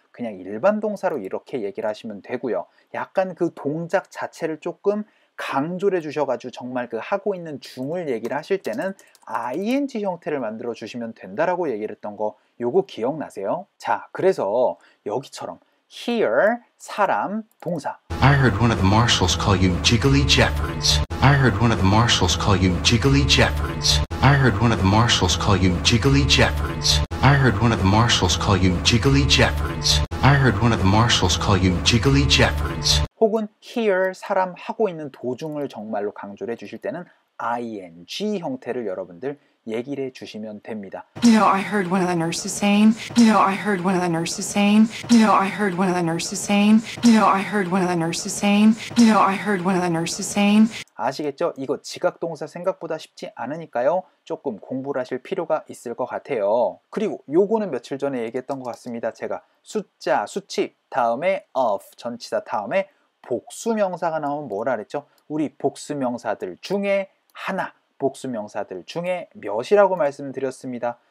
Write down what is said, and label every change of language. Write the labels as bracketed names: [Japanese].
[Korean] 그냥 일반 동사로 이렇게 얘기를 하시면 되고요. 약간 그 동작 자체를 조금 강조를 해주셔가지고 정말 그 하고 있는 중을 얘기를 하실 때는 ing 형태를 만들어주시면 된다라고 얘기를 했던 거 요거 기억나세요? 자, 그래서 여기처럼 here, 사람, 동사 [English] I heard one of the marshals call you Jiggly Jeffords. I heard one of the marshals call you Jiggly Jeffords. I heard one of the marshals call you Jiggly Jeffords. I heard one of the marshals call you Jiggly Jeffords. I heard one of the marshals call you Jiggly Jeffords. [Korean] 혹은 here 사람 하고 있는 도중을 정말로 강조를 해 주실 때는 ing 형태를 여러분들 얘기를 해 주시면 됩니다. [English] You know, I heard one of the nurses saying. You know, I heard one of the nurses saying. You know, I heard one of the nurses saying. You know, I heard one of the nurses saying. You know, I heard one of the nurses saying. [Korean] 아시겠죠? 이거 지각 동사 생각보다 쉽지 않으니까요. 조금 공부를 하실 필요가 있을 것 같아요. 그리고 요거는 며칠 전에 얘기했던 것 같습니다. 제가 숫자, 수치 다음에 of, 전치사 다음에 복수명사가 나오면 뭐라 그랬죠? 우리 복수명사들 중에 하나, 복수명사들 중에 몇이라고 말씀드렸습니다.